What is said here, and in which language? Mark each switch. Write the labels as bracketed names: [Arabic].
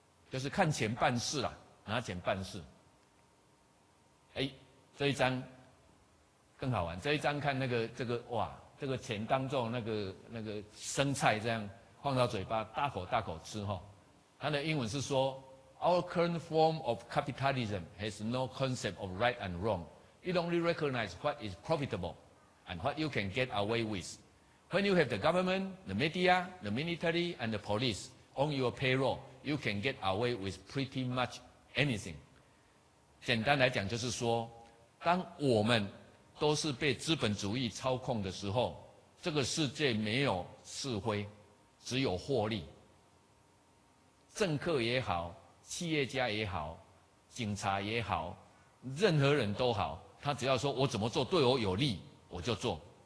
[Chinese] 就是看钱办事啦、拿钱办事。哎，这一张更好玩，这一张看那个这个哇，这个钱当作那个生菜这样放到嘴巴大口大口吃齁、哦。它的英文是说 , [English] Our current form of capitalism has no concept of right and wrong. It only recognizes what is profitable and what you can get away with. When you have the government, the media, the military and the police on your payroll,You can get away with pretty much anything. [Chinese] 简单来讲就是说，当我们都是被资本主义操控的时候，这个世界没有是非，只有获利。政客也好，企业家也好，警察也好，任何人都好，他只要说我怎么做对我有利，我就做。